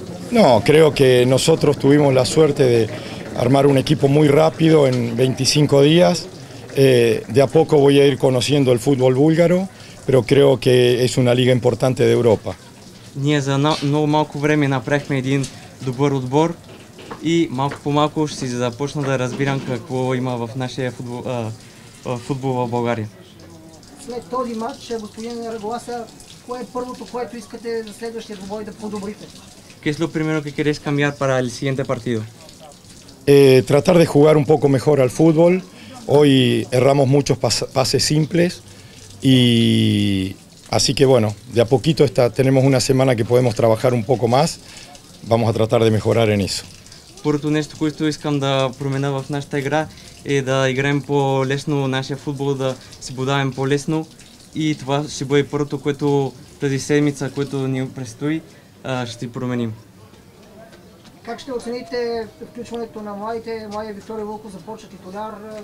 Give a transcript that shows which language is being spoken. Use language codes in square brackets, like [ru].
[es] No, creo que nosotros tuvimos la suerte de armar un equipo muy rápido en 25 días. De a poco voy a ir conociendo el fútbol búlgaro, pero creo que es una liga importante de Europa. [bg] Ние за много малко време направихме един добър отбор. И малко по малко ще си започна да разбирам какво има в нашия футбол в България. След този матч, господин Регласа, кое е първото, което искате за следващия двубой да подобрите? [es] Qué es lo primero que querés cambiar para el siguiente partido? Tratar de jugar un poco mejor al fútbol. Hoy erramos muchos pases simples y así que bueno, de a poquito tenemos una semana que podemos trabajar un poco más. Vamos a tratar de mejorar en eso. [bg] Първото нещо, което искам да променя в нашата игра е да играем по-лесно нашия футбол, да се подаваме по-лесно и това ще бъде първото, което тази седмица, което ни предстои, ще променим. Как ще оцените включването на младия Виктория Вълков за почет и тунар?